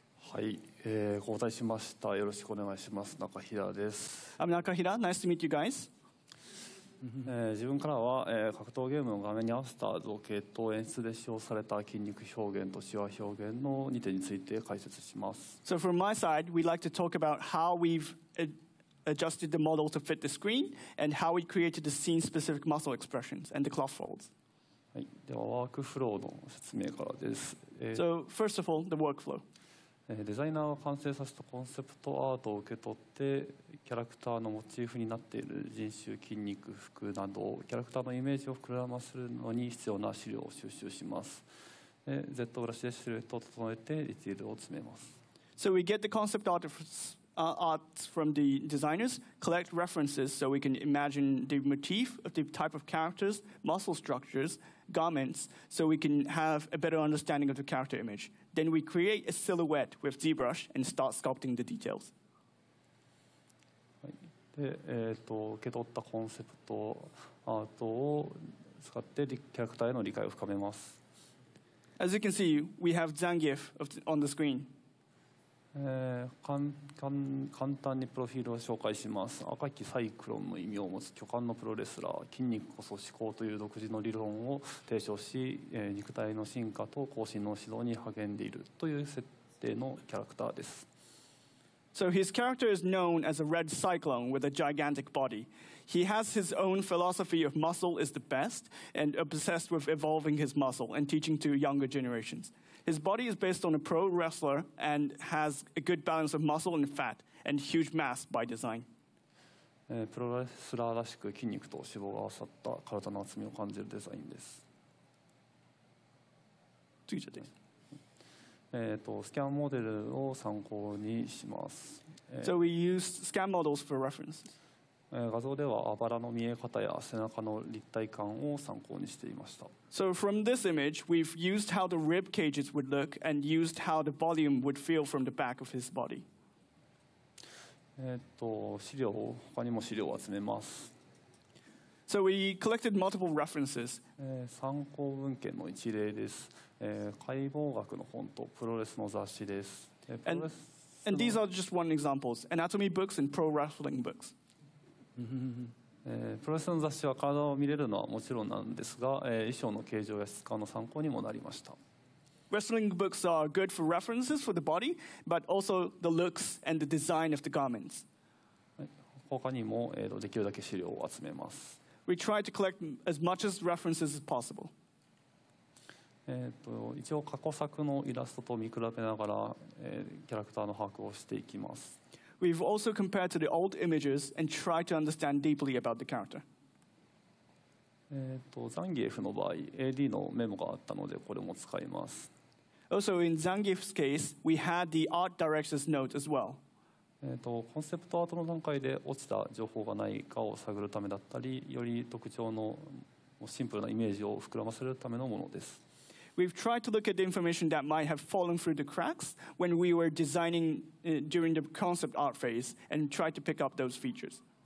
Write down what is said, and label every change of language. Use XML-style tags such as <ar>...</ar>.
<ja>はい、交代しました。よろしくお願いします。中平です。</ja> <en>I'm Nakahira. Nice to meet you guys.</en> <ja>自分からは、格闘ゲームの画面に合わせた造形と演出で使用された筋肉表現とシワ表現の2点について解説します。</ja> <en>So from my side, we'd like to talk about how we've adjusted the model to fit the screen and how we created the scene specific muscle expressions and the cloth folds.</en> <ja>はい、ではワークフローの説明からです。</ja> <en>So first of all, the workflow.</en> <ja>デザイナーが完成させたコンセプトアートを受け取ってキャラクターのモチーフになっている人種、筋肉、服などキャラクターのイメージを膨らませるのに必要な資料を収集します。 ZBrush でシルエットを整えてディティールを詰めます。</ja> <en>So we get the concept art from the designers, collect references so we can imagine the motif of the type of characters, muscle structures, garments, so we can have a better understanding of the character image. Then we create a silhouette with ZBrush and start sculpting the details.</en> <ja>受け取ったコンセプトアートを使ってキャラクターへの理解を深めます。</ja> <en>As you can see, we have Zangief on the screen.</en> <ja>簡単にプロフィールを紹介します。赤きサイクロンの異名を持つ巨漢のプロレスラー、筋肉こそ思考という独自の理論を提唱し、肉体の進化と更新の指導に励んでいるという設定のキャラクターです。</ja> <en>So his character is known as a red cyclone with a gigantic body. He has his own philosophy of muscle is the best and obsessed with evolving his muscle and teaching to younger generations. His body is based on a pro wrestler and has a good balance of muscle and fat and huge mass by design.</en> <ja>プロレスラーらしく筋肉と脂肪が合わさった体の厚みを感じるデザインです。次じゃあです。スキャンモデルを参考にします。</ja> <en>So we used scan models for reference.</en> <ja>画像ではあばらの見え方や背中の立体感を参考にしていました。</ja> <en>So from this image, we've used how the rib cages would look and used how the volume would feel from the back of his body.</en> <ja>資料を、他にも資料を集めます。</ja> <en>So we collected multiple references.</en> <ja>参考文献の一例です。解剖学の本とプロレスの雑誌です。</ja> <en>And these are just one examples. Anatomy books and pro wrestling books.</en> <ja>プロレスの雑誌は体を見れるのはもちろんなんですが、衣装の形状や質感の参考にもなりました。</ja> <en>Wrestling books are good for references for the body, but also the looks and the design of the garments.</en> <ja>他にも、できるだけ資料を集めます。</ja> <en>We try to collect as much as references as possible.</en> <ja>一応過去作のイラストと見比べながら、キャラクターの把握をしていきます。</ja> <en>We've also compared to the old images and tried to understand deeply about the character.</en> <ja>ザンギエフの場合、AD のメモがあったのでこれも使います。</ja> <en>Also in Zangief's case, we had the art director's note as well.</en> <ja>コンセプトアートの段階で落ちた情報がないかを探るためだったり、より特徴のシンプルなイメージを膨らませるためのものです。</ja> <en>We've tried to look at the information that might have fallen through the cracks when we were designing during the concept art phase and tried to pick up those features.</en>